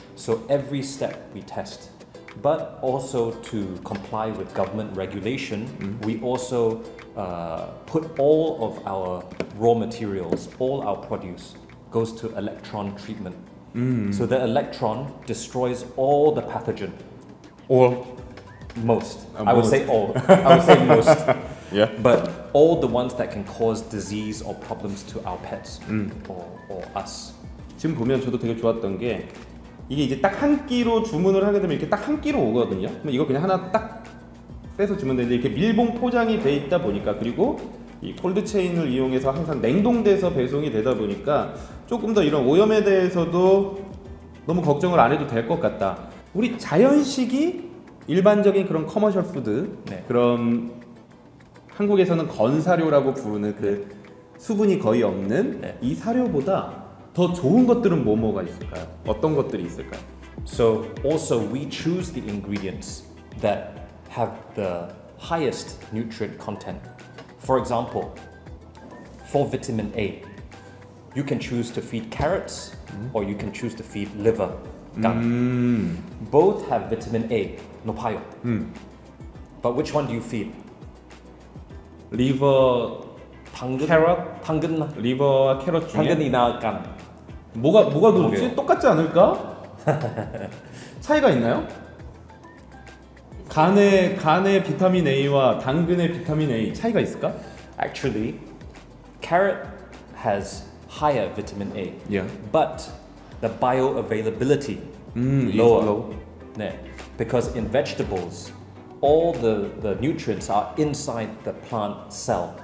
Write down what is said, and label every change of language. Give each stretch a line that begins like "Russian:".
English: So every step we test. But also to comply with government regulation, we also put all of our raw materials, all our produce, goes to electron treatment. So the electron destroys all the pathogen. Or most. I would say all. I would say most. Yeah. But all the ones that can cause disease or problems to our pets or us.
Korean: 지금 보면 저도 되게 좋았던 게 이게 이제 딱 한 끼로 주문을 하게 되면 이렇게 딱 한 끼로 오거든요. 이거 그냥 하나 딱 빼서 주면 되는데 이렇게 밀봉 포장이 돼 있다 보니까 그리고 이 콜드체인을 이용해서 항상 냉동돼서 배송이 되다 보니까 조금 더 이런 오염에 대해서도 너무 걱정을 안 해도 될 것 같다. 우리 자연식이 일반적인 그런 커머셜 푸드 네. 그런 한국에서는 건사료라고 부르는 그 수분이 거의 없는 네. 이 사료보다 더 좋은 것들은 뭐가 있을까요? 어떤 것들이 있을까요?
English: So also we choose the ingredients that have the highest nutrient content. For example, for vitamin A, you can choose to feed carrots or you can choose to feed liver. Both have vitamin A,
Korean: 높아요.
English: But which one do you feed? Liver,
Korean: 당근,
English: carrot,
Korean: 당근,
English: liver, carrot
Korean: 중에 당근이나 간. 뭐가 그렇지? 똑같지 않을까? 차이가 있나요? 간의 비타민 A와 당근의 비타민 A 차이가 있을까?
English: Actually, carrot has higher vitamin A. Yeah. But the bioavailability lower. Is low.
Korean: 네.
English: Because in vegetables, all the nutrients are inside the plant cell.